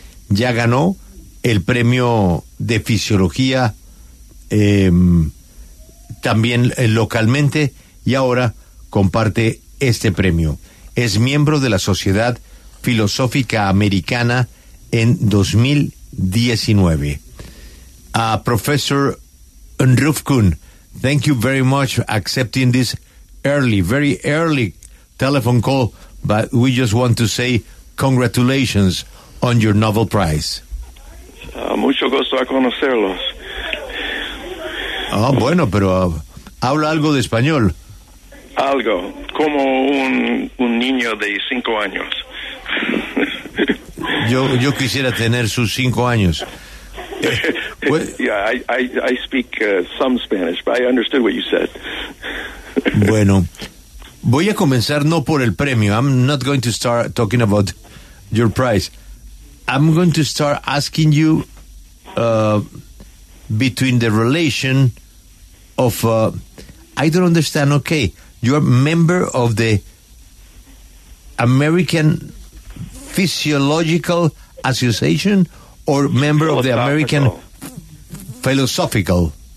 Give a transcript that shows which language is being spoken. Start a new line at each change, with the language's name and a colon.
Spanish: Ya ganó el premio de fisiología también localmente y ahora comparte este premio. Es miembro de la Sociedad Filosófica Americana en 2019.
English: Professor Rufkun, thank you very much for accepting this early, very early telephone call, but we just want to say congratulations on your Nobel Prize.
Spanish: Mucho gusto a conocerlos. Ah, bueno, pero habla algo de español. Algo, como un niño de 5 años. Yo quisiera tener sus 5 años.
English: I speak some Spanish, but I understood what you said.
Spanish: Bueno, voy a comenzar no por el premio.
English: I'm not going to start talking about your prize. I'm going to start asking you between the relation of... I don't understand, okay. You're a member of the American Physiological Association or member of the American Philosophical?